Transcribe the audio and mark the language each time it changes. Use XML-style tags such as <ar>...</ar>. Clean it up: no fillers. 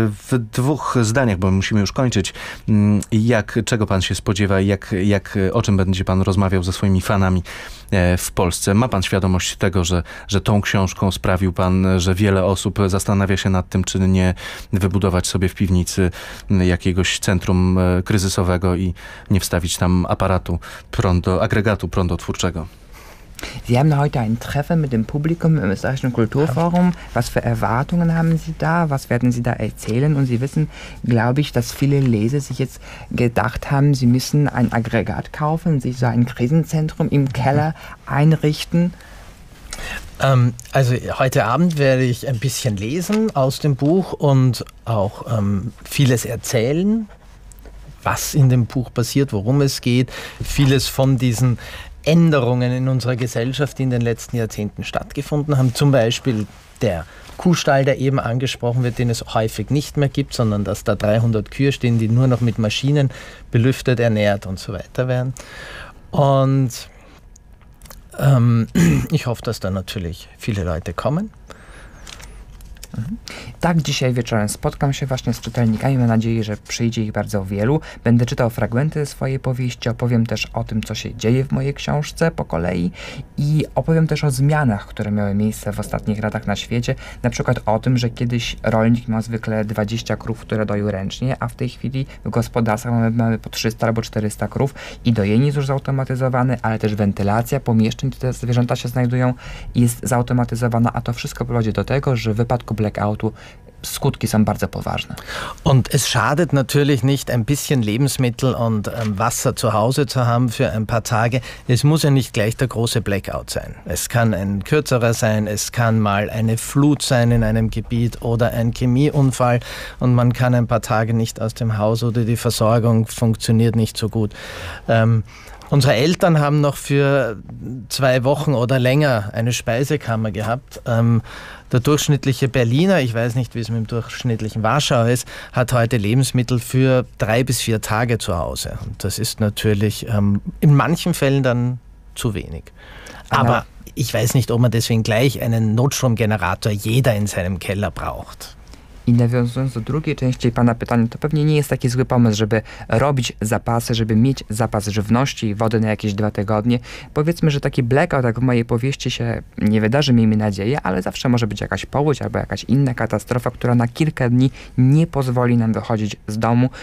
<pl>W dwóch zdaniach, bo musimy już kończyć, czego pan się spodziewa, o czym będzie pan rozmawiał ze swoimi fanami w Polsce? Ma pan świadomość tego, że tą książką sprawił pan, że wiele osób zastanawia się nad tym, czy nie wybudować sobie w piwnicy jakiegoś centrum kryzysowego i nie wstawić tam agregatu prądotwórczego?</pl> <de>Sie haben heute ein Treffen mit dem Publikum im Österreichischen Kulturforum. Was für Erwartungen haben Sie da? Was werden Sie da erzählen? Und Sie wissen, glaube ich, dass viele Leser sich jetzt gedacht haben, sie müssen ein Aggregat kaufen, sich so ein Krisenzentrum im Keller einrichten. Also heute Abend werde ich ein bisschen lesen aus dem Buch und auch vieles erzählen, was in dem Buch passiert, worum es geht, vieles von diesen Änderungen in unserer Gesellschaft, die in den letzten Jahrzehnten stattgefunden haben. Zum Beispiel der Kuhstall, der eben angesprochen wird, den es häufig nicht mehr gibt, sondern dass da 300 Kühe stehen, die nur noch mit Maschinen belüftet, ernährt und so weiter werden. Und ich hoffe, dass da natürlich viele Leute kommen.</de> <pl>Tak, dzisiaj wieczorem spotkam się właśnie z czytelnikami. Mam nadzieję, że przyjdzie ich bardzo wielu. Będę czytał fragmenty swojej powieści, opowiem też o tym, co się dzieje w mojej książce po kolei i opowiem też o zmianach, które miały miejsce w ostatnich latach na świecie. Na przykład o tym, że kiedyś rolnik miał zwykle 20 krów, które doił ręcznie, a w tej chwili w gospodarstwach mamy po 300 albo 400 krów i dojenie jest już zautomatyzowane, ale też wentylacja pomieszczeń, gdzie te zwierzęta się znajdują, jest zautomatyzowana, a to wszystko prowadzi do tego, że w wypadku Blackoutu skutki są bardzo poważne.</pl> <de>Und es schadet natürlich nicht, ein bisschen Lebensmittel und Wasser zu Hause zu haben für ein paar Tage. Es muss ja nicht gleich der große Blackout sein. Es kann ein kürzerer sein, es kann mal eine Flut sein in einem Gebiet oder ein Chemieunfall und man kann ein paar Tage nicht aus dem Haus oder die Versorgung funktioniert nicht so gut. Unsere Eltern haben noch für 2 Wochen oder länger eine Speisekammer gehabt. Der durchschnittliche Berliner, ich weiß nicht, wie es mit dem durchschnittlichen Warschauer ist, hat heute Lebensmittel für 3 bis 4 Tage zu Hause. Und das ist natürlich in manchen Fällen dann zu wenig. Aber ich weiß nicht, ob man deswegen gleich einen Notstromgenerator jeder in seinem Keller braucht.</de> <pl>I nawiązując do drugiej części pana pytania, to pewnie nie jest taki zły pomysł, żeby robić zapasy, żeby mieć zapas żywności i wody na jakieś 2 tygodnie. Powiedzmy, że taki blackout, jak w mojej powieści, się nie wydarzy, miejmy nadzieję, ale zawsze może być jakaś powódź albo jakaś inna katastrofa, która na kilka dni nie pozwoli nam wychodzić z domu.</pl>